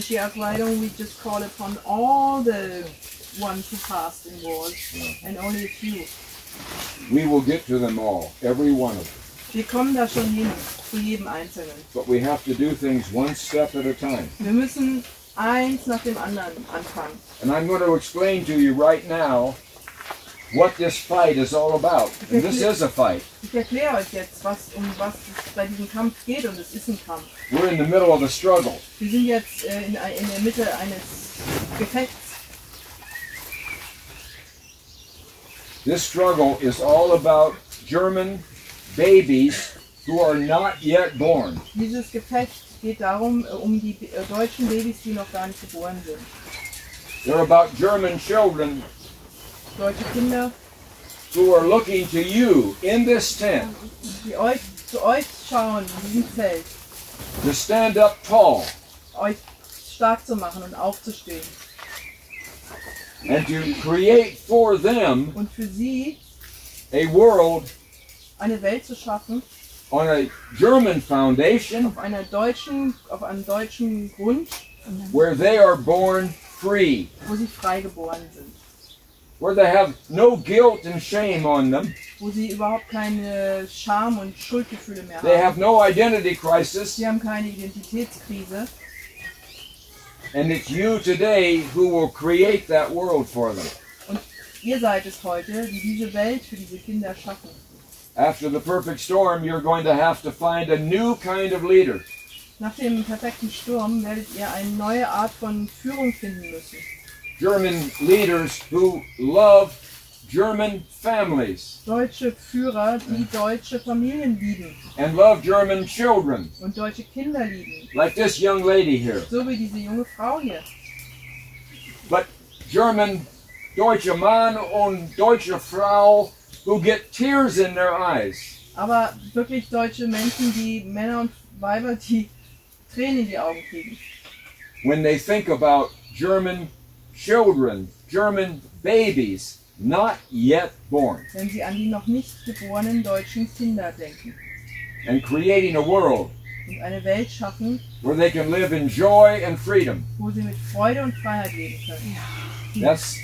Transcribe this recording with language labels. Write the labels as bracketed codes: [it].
[en] She asked, why don't we just call upon all the ones who passed in wars and only a few? We will get to them all, every one of them. [de] Wir kommen da schon hin, zu jedem Einzelnen. [en] But we have to do things one step at a time. [de] Wir müssen eins nach dem anderen anfangen. [en] And I'm going to explain to you right now what this fight is all about. And this is a fight. [de] Ich erkläre euch jetzt, was es bei diesem Kampf geht, und es ist ein Kampf. [en] We're in the middle of a struggle. [de] Wir sind jetzt in der Mitte eines Gefechts. [en] This struggle is all about German babies who are not yet born. [de] Dieses Gefecht geht darum, um die deutschen Babys, die noch gar nicht geboren sind. [en] They're about German children. [de] Deutsche Kinder. [en] Who are looking to you in this tent. [de] Die euch, zu euch schauen, in diesem Zelt. [en] To stand up tall. [de] Euch stark zu machen und aufzustehen. [en] And to create for them. [de] Und für sie. [en] A world. [de] Eine Welt zu schaffen. [en] On a German foundation. [de] Auf einem deutschen Grund. [en] Where they are born free. [de] Wo sie frei geboren sind. [en] where they have no guilt and shame on them. [de] Wo sie überhaupt keine Scham- und Schuldgefühle mehr haben. [en] They have no identity crisis. [de] Sie haben keine Identitätskrise. [en] And it's you today who will create that world for them. [de] Und ihr seid es heute, die diese Welt für diese Kinder schaffen. [en] After the perfect storm, you're going to have to find a new kind of leader. [de] Nach dem perfekten Sturm werdet ihr eine neue Art von Führung finden müssen. [en] German leaders who love German families. [de] Deutsche Führer, die deutsche Familien lieben. [en] And love German children. [de] Und deutsche Kinder lieben. [en] Like this young lady here. [de] So wie diese junge Frau hier. [en] But German, [de] deutsche Mann und deutsche Frau [en] who get tears in their eyes. [de] Aber wirklich deutsche Menschen, die Männer und Weiber, die Tränen in die Augen kriegen. [en] When they think about German children, German babies, not yet born. [de] Wenn sie an die noch nicht geborenen deutschen Kinder denken. [en] And creating a world. [de] Und eine Welt schaffen. [en] Where they can live in joy and freedom. [de] Wo sie mit Freude und Freiheit leben können.